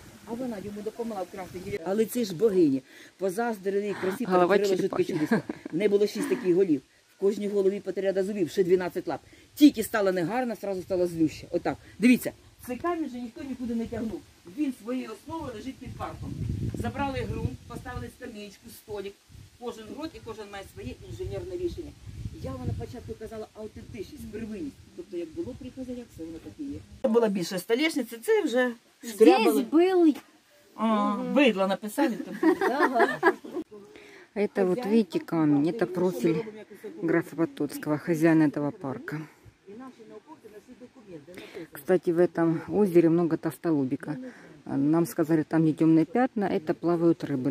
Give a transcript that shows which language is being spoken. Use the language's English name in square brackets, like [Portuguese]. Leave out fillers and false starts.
[Ukrainian] А вона йому допомогла вкрасти. Але це ж богині. Позаздрили і красі перетворили жутке чудесо. В неї було 6 таких голів. В кожній голові по 3 ряда зубів, ще 12 лап. Тільки стала негарна, сразу стала злюща. Отак. Дивіться. Цей камінь же ніхто нікуди не тягнув. Він своєю основою лежить під парком. Забрали ґрунт, поставили скамеечку, столик. Кожен грот і кожен має своє інженерне рішення. Я вам на початку казала аутентичність, первинність. Тобто, як було при козарях, все воно таке є. Це була більша столешниця, це вже шкрябали. [Russian] Здесь был... Бидло написали. Это вот, видите, камень, это профиль графа Потоцкого, хозяина этого парка. Кстати, в этом озере много тавтолобика. Нам сказали, там не темные пятна, это плавают рыбы.